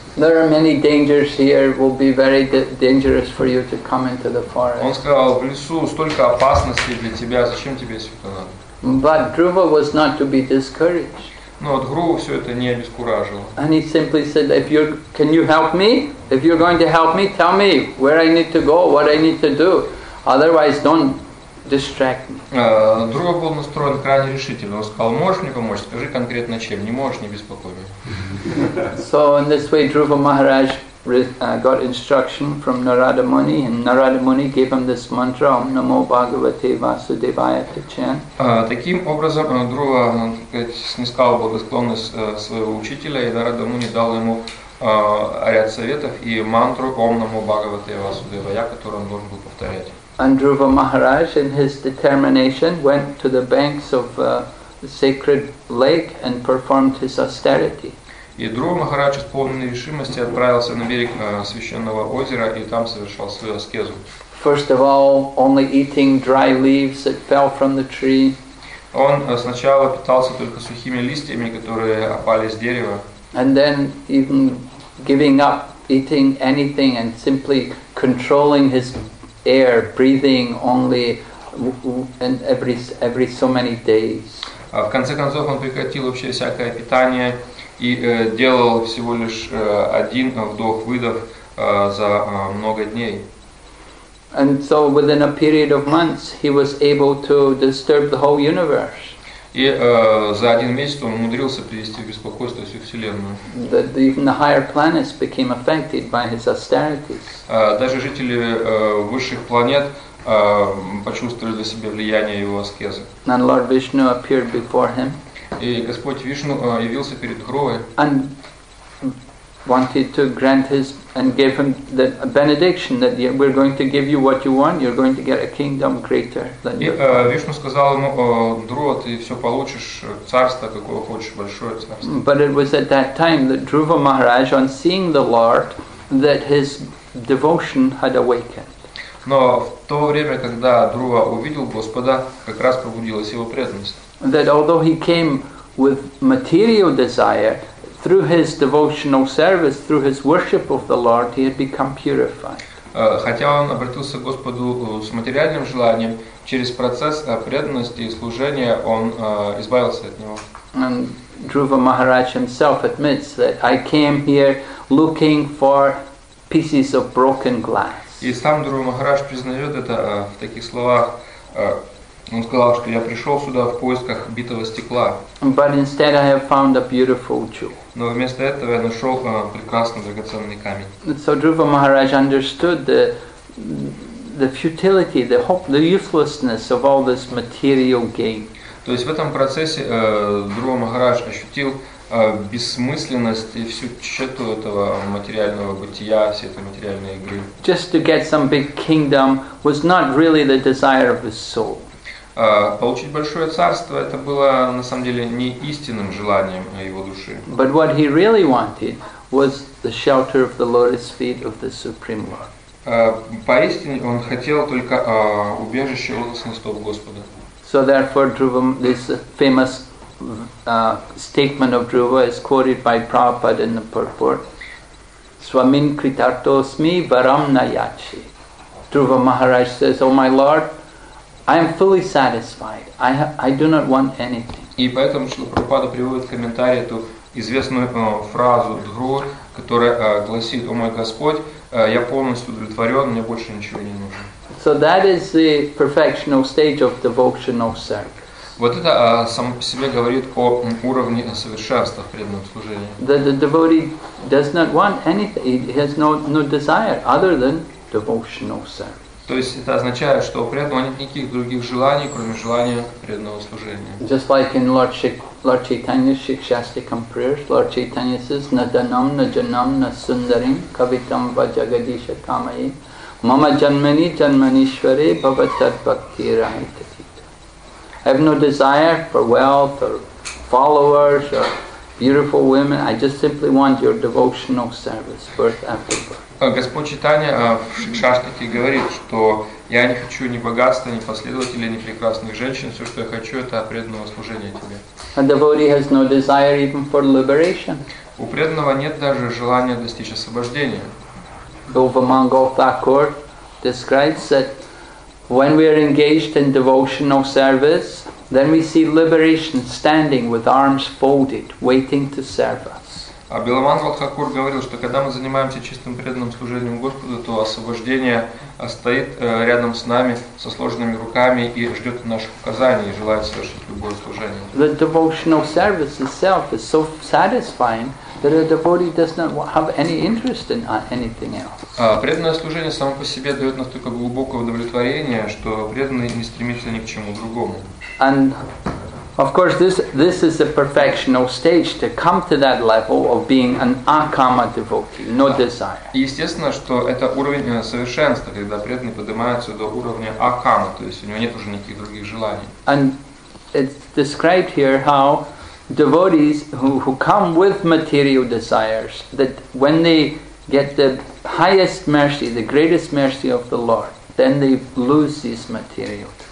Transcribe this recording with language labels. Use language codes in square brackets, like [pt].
[en] There are many dangers here. Will be very dangerous for you to come into the forest. [ru] Он сказал: "В лесу столько опасностей для тебя. Зачем тебе сюда надо?" [en] But Dhruva was not to be discouraged. [ru] Но от Дхрува все это не обескуражило. [en] And he simply said, "If you can, you help me. If you're going to help me, tell me where I need to go, what I need to do. Otherwise, don't distract me." [ru] Дхрува был настроен крайне решительно. Он сказал: "Можешь мне помочь? Скажи конкретно чем. Не можешь, не беспокой меня." [en] So in this way, Dhruva Maharaj got instruction from Narada Muni, and Narada Muni gave him this mantra: [sa] "Om Namo Bhagavate Vasudevaya." [en] To chant. [ru] Таким образом, Дхрува снискал благосклонность своего учителя, и Нарада Муни дал ему ряд советов и мантру [sa] "Om Namo Bhagavate Vasudevaya", [ru] которую он должен был повторять. [en] And Dhruva Maharaj, in his determination, went to the banks of the sacred lake and performed his austerity. [ru] И Дхрува Махарадж, исполненный решимости, отправился на берег священного озера и там совершал свою аскезу. [en] First of all, only eating dry leaves that fell from the tree. [ru] Он сначала питался только сухими листьями, которые опали с дерева. [en] And then even giving up eating anything and simply controlling his air, breathing only and every so many days. [ru] В конце концов он прекратил вообще всякое питание и делал всего лишь один вдох-выдох за много дней. [en] And so within a period of months he was able to disturb the whole universe. [ru] И за один месяц он умудрился привести в беспокойство всю Вселенную. [en] Even the higher planets became affected by his austerities. [ru] Даже жители высших планет почувствовали для себя влияние его аскезы. [en] And Lord Vishnu appeared before him. [ru] И Господь Вишну явился перед Дхрувой. [en] And wanted to grant his and gave him the benediction that we're going to give you what you want, you're going to get a kingdom greater than your father. [ru] И Вишну сказал ему: "Дхрува, ты все получишь, царство, какое хочешь, большое царство." [en] But it was at that time that Dhruva Maharaj, on seeing the Lord, that his devotion had awakened. [ru] Но в то время, когда Дхрува увидел Господа, как раз пробудилась его преданность. [en] That although he came with material desire, through his devotional service, through his worship of the Lord, he had become purified. [ru] Хотя он обратился к Господу с материальным желанием, через процесс преданности и служения он избавился от него. [en] And Dhruva Maharaj himself admits that I came here looking for pieces of broken glass. [ru] И сам Дхрува Махарадж признает это в таких словах. Он сказал, что я пришел сюда в поисках битого стекла. [en] But instead I have found a beautiful jewel. [ru] Но вместо этого я нашел прекрасный драгоценный камень. [en] So Dhruva Maharaj understood the futility, the hope, the uselessness of all this material gain. [ru] То есть в этом процессе Дхрува Махарадж ощутил бессмысленность и всю тщету этого материального бытия, всей этой материальной игры. [en] Just to get some big kingdom was not really the desire of his soul. [ru] Получить большое царство – это было, на самом деле, не истинным желанием его души. [en] But what he really wanted was the shelter of the lotus feet of the Supreme Lord. [ru] Поистине он хотел только убежище лотосных стоп Господа. [en] So therefore, Dhruva, this famous statement of Dhruva is quoted by Prabhupada in the purport. [sa] Swamin Kritarto Smi Varam Nayachi. [en] Dhruva Maharaj says, "Oh my Lord, I am fully satisfied. I do not want anything." [ru] И поэтому Шрила Прабхупада приводит комментарий эту известную фразу Дхрувы, которая гласит: "О мой Господь, я полностью удовлетворен, мне больше ничего не нужно." [en] So that is the perfectional stage of devotional service. [ru] Вот это само по себе говорит о уровне совершенства в преданном служении. [en] The devotee does not want anything. He has no desire other than devotional service. [ru] То есть это означает, что у преданного нет никаких других желаний, кроме желания преданного служения. [en] Just like in Lord Chaitanya's Shikshastikam prayers, Lord Chaitanya says, [sa] Naddanam, Najanam, Nasundarim, Kavitam, Vajagadisha, Kamayi, Mama Janmani, Janmanishvare, Bhavatad Bhakti Rahitatita. [en] I have no desire for wealth or followers or beautiful women. I just simply want your devotional service, birth after birth. [ru] Господь Чайтанья в Шикшаштике говорит, что я не хочу ни богатства, ни последователей, ни прекрасных женщин. Все, что я хочу, это преданного служения тебе. [en] A devotee has no desire even for liberation. [ru] У преданного нет даже желания достичь освобождения. [en] Govamangal Thakur describes that when we are engaged in devotional service, then we see liberation standing with arms folded, waiting to serve us. [ru] А Биламангал Хакур говорил, что когда мы занимаемся чистым преданным служением Господу, то освобождение стоит рядом с нами со сложенными руками и ждет наших указаний и желает совершить любое служение. [en] The devotional service itself is so satisfying that a devotee does not have any interest in anything else. [ru] Преданное служение само по себе дает настолько глубокое удовлетворение, что преданный не стремится ни к чему другому. [en] Of course, this is the perfectional stage to come to that level of being an akama devotee, no desire. [ru] Естественно, что это уровень совершенства, когда преданный поднимается до уровня акама, то есть у него нет уже никаких других желаний. [en] And it's described here how devotees who come with material desires, that when they get the highest mercy, the greatest mercy of the Lord, then they lose these material.